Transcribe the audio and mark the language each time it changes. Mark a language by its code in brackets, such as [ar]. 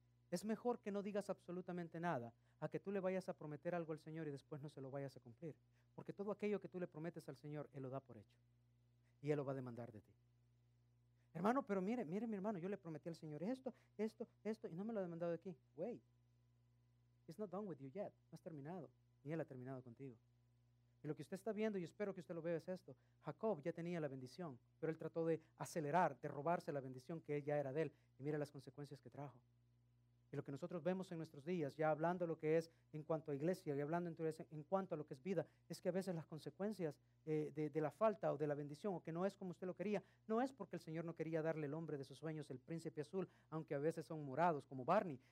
[es] Es mejor que no digas absolutamente nada a que tú le vayas a prometer algo al Señor y después no se lo vayas a cumplir. Porque todo aquello que tú le prometes al Señor, Él lo da por hecho. Y Él lo va a demandar de ti. Hermano, pero mire mi hermano, yo le prometí al Señor esto, y no me lo ha demandado de aquí. [en] Wait, it's not done with you yet. [es] No has terminado, ni Él ha terminado contigo. Y lo que usted está viendo, y espero que usted lo vea, es esto. Jacob ya tenía la bendición, pero él trató de acelerar, de robarse la bendición que ya era de él. Y mire las consecuencias que trajo. Y lo que nosotros vemos en nuestros días, ya hablando lo que es en cuanto a iglesia, y hablando en cuanto a lo que es vida, es que a veces las consecuencias de la falta o de la bendición, o que no es como usted lo quería, no es porque el Señor no quería darle el hombre de sus sueños, el príncipe azul, aunque a veces son morados como Barney.